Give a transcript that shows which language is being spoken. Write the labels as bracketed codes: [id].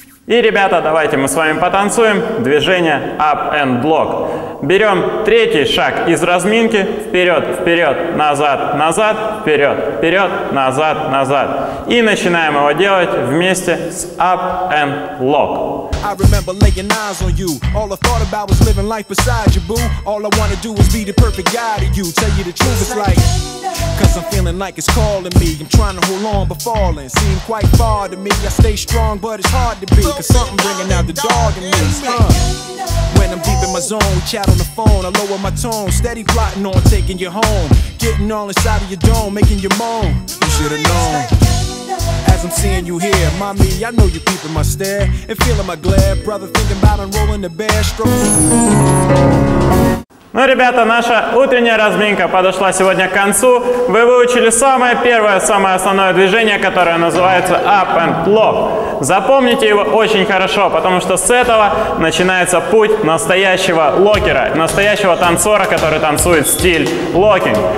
[ru] И, ребята, давайте мы с вами потанцуем движение up and lock. Берем третий шаг из разминки. Вперед, вперед, назад, назад, вперед, вперед, назад, назад. И начинаем его делать вместе с up and lock. [en] I remember laying eyes on you. All I thought about was living life beside you, boo. All I wanna do is be the perfect guy to you. Tell you the truth, it's like, cause I'm feeling like it's calling me. I'm trying to hold on but falling. Seem quite far to me. I stay strong but it's hard to be. Cause something bringing out the dog in me. When I'm deep in my zone, we chat on the phone. I lower my tone, steady plotting on taking you home. Getting all inside of your dome, making you moan. You should've known. As I'm seeing you here, mommy, I know you peeping my stare and feeling my glare, brother, thinking about unrolling the bear stroke. [ru] Ну, ребята, наша утренняя разминка подошла сегодня к концу. Вы выучили самое первое, самое основное движение, которое называется up and lock. Запомните его очень хорошо, потому что с этого начинается путь настоящего локера, настоящего танцора, который танцует стиль локинг.